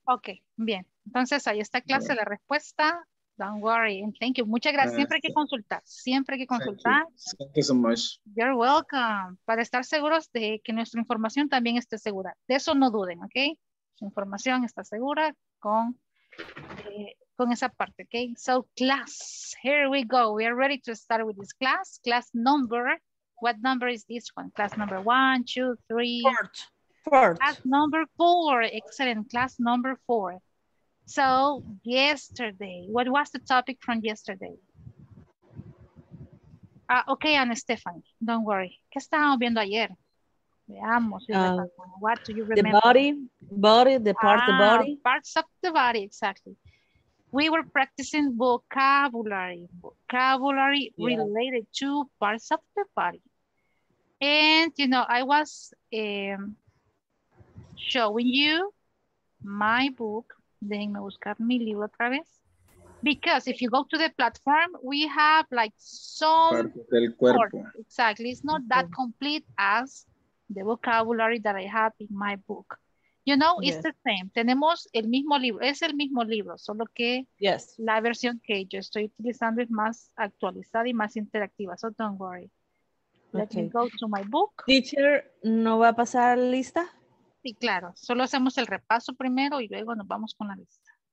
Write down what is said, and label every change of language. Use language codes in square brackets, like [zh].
[es] Ok, bien. Entonces, ahí está clase la respuesta. [en] Don't worry. Thank you. [es] Muchas gracias. Siempre hay que consultar. [en] Thank you so much. You're welcome. [es] Para estar seguros de que nuestra información también esté segura. De eso no duden, ¿ok? Su información está segura con esa parte, ¿ok? [en] So, class, here we go. We are ready to start with this class. Class number, what number is this one? Class number 1, 2, 3. Fourth. Class number 4. Excellent. Class number 4. So, yesterday, what was the topic from yesterday? Okay, Ana Stephanie, don't worry. [es] ¿Qué estábamos viendo ayer? Veamos. [en] What do you remember? The body, the part of the body. Parts of the body, exactly. We were practicing vocabulary yeah, related to parts of the body. And, you know, I was showing you my book. [es] Déjenme buscar mi libro otra vez. [en] Because if you go to the platform, we have like some [es] parts del cuerpo. [en] Exactly. It's not that complete as the vocabulary that I have in my book. You know, yes, it's the same. [es] Tenemos el mismo libro. Es el mismo libro, solo que [en] yes, [es] la versión que yo estoy utilizando es más actualizada y más interactiva. [en] So don't worry. Let me go to my book. [es] Teacher, ¿no va a pasar lista? Sí, claro. Solo hacemos el repaso primero y luego nos vamos con la lista.